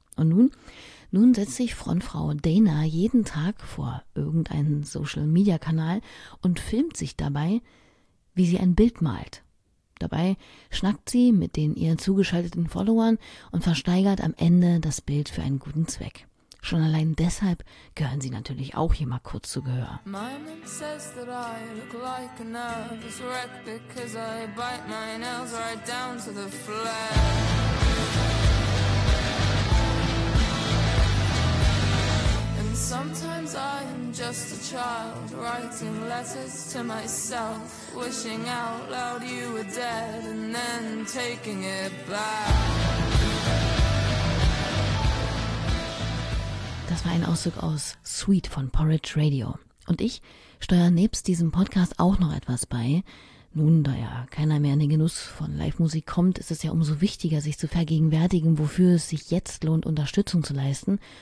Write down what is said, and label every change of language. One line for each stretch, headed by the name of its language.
German: Und nun setzt sich Frontfrau Dana jeden Tag vor irgendeinen Social-Media-Kanal und filmt sich dabei, wie sie ein Bild malt. Dabei schnackt sie mit den ihr zugeschalteten Followern und versteigert am Ende das Bild für einen guten Zweck. Schon allein deshalb gehören sie natürlich auch hier mal kurz zu Gehör.
English: My mom says that I look like a nervous wreck because I bite my nails right down to the flesh. And sometimes I am just a child writing letters to myself, wishing out loud you were dead and then taking it back.
German: Das war ein Auszug aus Sweet von Porridge Radio. Und ich steuere nebst diesem Podcast auch noch etwas bei. Nun, da ja keiner mehr in den Genuss von Live-Musik kommt, ist es ja umso wichtiger, sich zu vergegenwärtigen, wofür es sich jetzt lohnt, Unterstützung zu leisten.